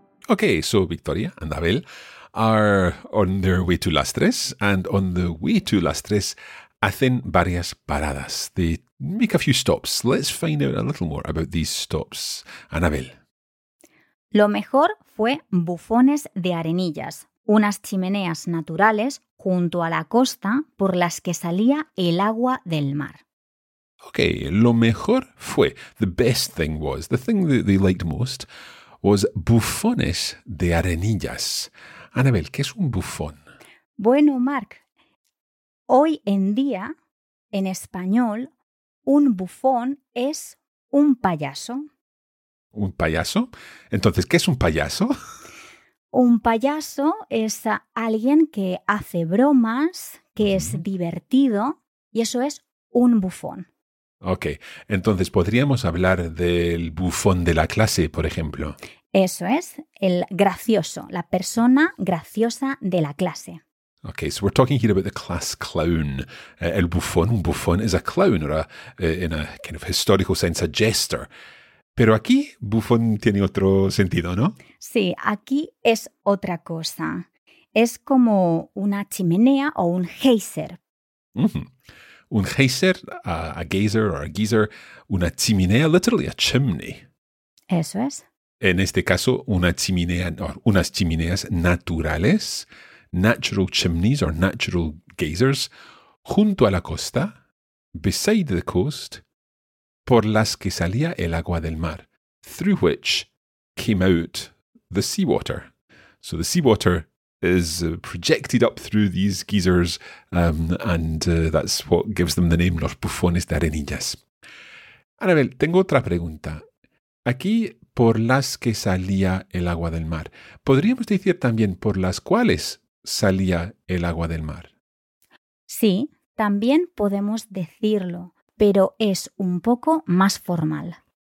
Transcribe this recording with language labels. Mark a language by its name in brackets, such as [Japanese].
[English] Okay, so Victoria and Abel are on their way to Las Tres, and on the way to Las Tres, [Spanish] hacen varias paradas. [English] They make a few stops. Let's find out a little more about these stops. And Abel. [Spanish] Lo mejor fue bufones de arenillas, unas chimeneas naturales junto a la costa por las que salía el agua del mar. [English] Okay, [Spanish] lo mejor fue, [English] the best thing was, the thing that they liked most, was bufones de arenillas. [Spanish] Anabel, ¿qué es un bufón? Bueno, Marc, hoy en día, en español, un bufón es un payaso. ¿Un payaso? Entonces, ¿qué es un payaso? Un payaso es alguien que hace bromas, que es divertido, y eso es un bufón. Ok, entonces podríamos hablar del bufón de la clase, por ejemplo. Eso es, el gracioso, la persona graciosa de la clase. [English] Ok, so we're talking here about the class clown. El bufón, un bufón is a clown, or a, in a kind of historical sense, a jester. [Spanish] Pero aquí, bufón tiene otro sentido, ¿no? Sí, aquí es otra cosa. Es como una chimenea o un geyser. [English] Mm-hmm. Un geyser, a geyser or a geyser, una chimenea, literally a chimney. [Spanish] Eso es. En este caso, una chimenea, or unas chimeneas naturales, [English] natural chimneys or natural geysers, [Spanish] junto a la costa, [English] beside the coast, [Spanish] por las que salía el agua del mar, [English] through which came out the seawater. So the seawater is projected up through these geysers, that's what gives them the name, los bufones de arenillas. [Spanish] Anabel, tengo otra pregunta. Aquí, por las que salía el agua del mar. ¿Podríamos decir también por las cuales salía el agua del mar? Sí, también podemos decirlo, pero es un poco más formal.